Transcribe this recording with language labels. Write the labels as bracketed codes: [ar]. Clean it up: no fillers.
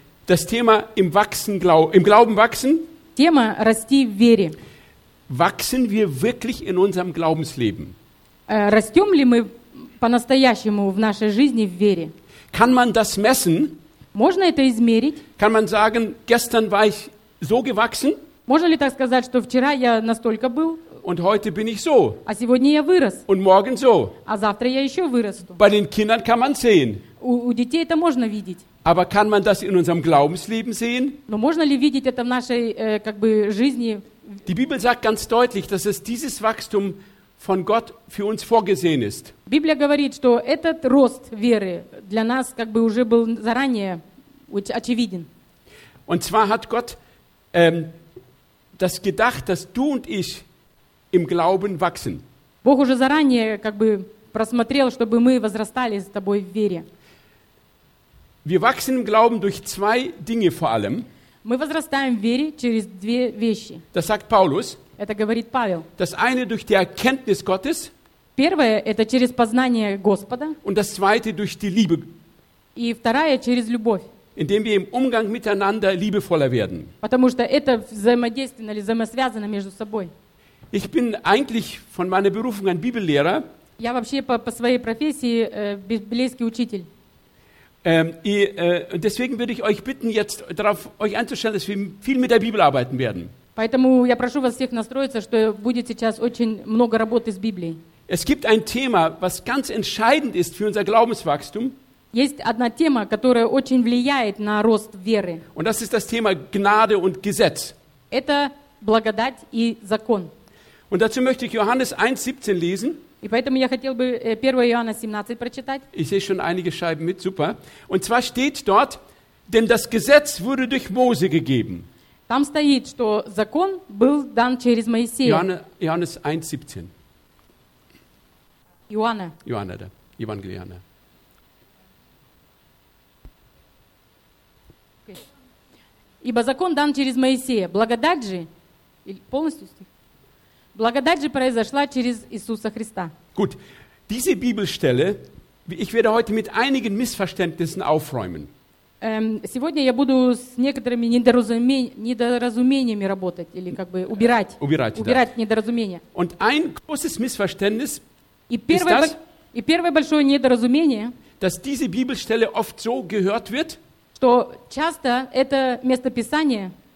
[de] Das Thema im Wachsen, im Glauben wachsen. [ru] Тема расти в вере. [de] Wachsen wir wirklich in unserem Glaubensleben? [ru] Растем ли мы по-настоящему в нашей жизни в вере? [de] Kann man das messen? [ru] Можно это измерить? [de] Kann man sagen, gestern war ich so gewachsen? [ru] Можно ли так сказать, что вчера я настолько был? [de] Und heute bin ich so. [ru] А сегодня я вырос. [de] Und morgen so. [ru] А завтра я еще вырасту. [de] Bei den Kindern kann man sehen. [ru] У детей это можно видеть. [de] Aber kann man das in unserem Glaubensleben sehen? [ru] Но можно ли видеть это в нашей как бы жизни? [de] Die Bibel sagt ganz deutlich, dass es dieses Wachstum von Gott für uns vorgesehen ist. [ru] Библия говорит, что этот рост веры для нас как бы уже был заранее очевиден. [de] Und zwar hat Gott das gedacht, dass du und ich im Glauben wachsen. [ru] Бог уже заранее как бы просмотрел, чтобы мы возрастали с тобой в вере. [de] Wir wachsen im Glauben durch zwei Dinge vor allem. [ru] Мы возрастаем в вере через две вещи. [de] Das sagt Paulus. [ru] Это говорит Павел. [de] Das eine durch die Erkenntnis Gottes. [ru] Первое – это через познание Господа. [de] Und das zweite durch die Liebe. [ru] И второе – через любовь. [de] Indem wir im Umgang miteinander liebevoller werden. [ru] Потому что это взаимодействовано или взаимосвязано между собой. [de] Ich bin eigentlich von meiner Berufung ein Bibellehrer. [ru] Я вообще по своей профессии библейский учитель. [de] Deswegen würde ich euch bitten, jetzt darauf euch einzustellen, dass wir viel mit der Bibel arbeiten werden. [ru] Поэтому я прошу вас всех настроиться, что будет сейчас очень много работы с Библией. [de] Es gibt ein Thema, was ganz entscheidend ist für unser Glaubenswachstum. [ru] Есть одна тема, которая очень влияет на рост веры. [de] Und das ist das Thema Gnade und Gesetz. [ru] Это благодать и закон. [de] Und dazu möchte ich Johannes 1,17 lesen. [ru] И поэтому я хотел бы 1 Иоанна 17 прочитать. [de] Ich sehe schon einige Scheiben mit, super. Und zwar steht dort, denn das Gesetz wurde durch Mose gegeben. [ru] Там стоит, что закон был дан через Моисея. [de] Johannes 1,17. [ru] Иоанна. Иоанна, да. Евангелие Иоанна. Ибо закон дан через Моисея. Благодать же... Полностью стих. Благодать же произошла через Иисуса Христа. [de] Gut, diese Bibelstelle, ich werde heute mit einigen Missverständnissen aufräumen. [ru] Сегодня я буду с некоторыми недоразумениями работать или как бы убирать. Убирать недоразумения. [de] Und ein großes Missverständnis [ru] и первое большое недоразумение, [de] dass diese Bibelstelle oft so gehört wird, [ru] что часто это местописание